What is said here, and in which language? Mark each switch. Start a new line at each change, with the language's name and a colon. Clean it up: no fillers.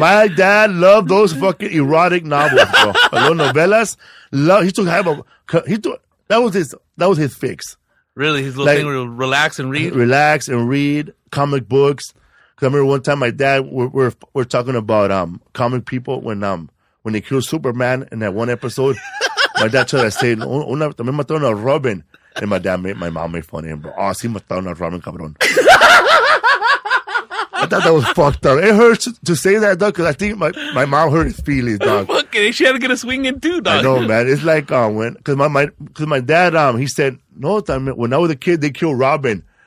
English: My dad loved those fucking erotic novels, bro. Los novelas. That was his fix. Really, his little thing where he'll relax and read? Relax and read comic books. Because I remember one time my dad, we're talking about comic people when they killed Superman in that one episode. My dad told us, say,
Spanish: una, también mataron a Robin.
English: And my mom made fun of him, bro.
Spanish: Oh, sí mataron a Robin, cabrón.
English: I thought that was fucked up. It hurts to say that, dog, because I think my mom hurt his feelings, dog. Fuck it. She had to get a swing in too, dog. I know, man. It's like because my dad, he said, no, when I was a kid, they killed Robin.